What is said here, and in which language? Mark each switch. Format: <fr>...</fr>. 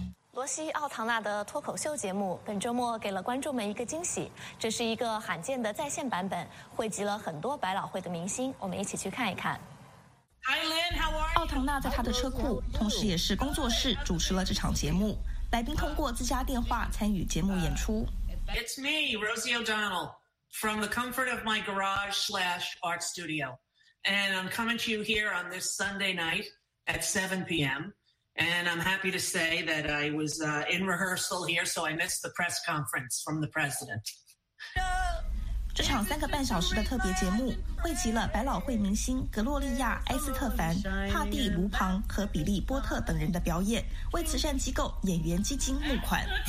<zh>国西奥唐纳的脱口秀节目本周末给了观众们一个惊喜，这是一个罕见的在线版本，汇集了很多百老汇的明星，我们一起去看一看。奥唐纳在他的车库同时也是工作室主持了这场节目，来宾通过自家电话参与节目演出。</zh> <en>It's me, Rosie O'Donnell, from the comfort of my garage / art studio, and I'm coming to you here on this Sunday night at 7 p.m. and I'm happy to say that I was in rehearsal here, so I missed the press conference from the president.</en> <zh>这场三个半小时的特别节目汇集了百老汇明星格洛丽亚·埃斯特凡、帕蒂·卢庞和比利·波特等人的表演，为慈善机构演员基金募款。</zh>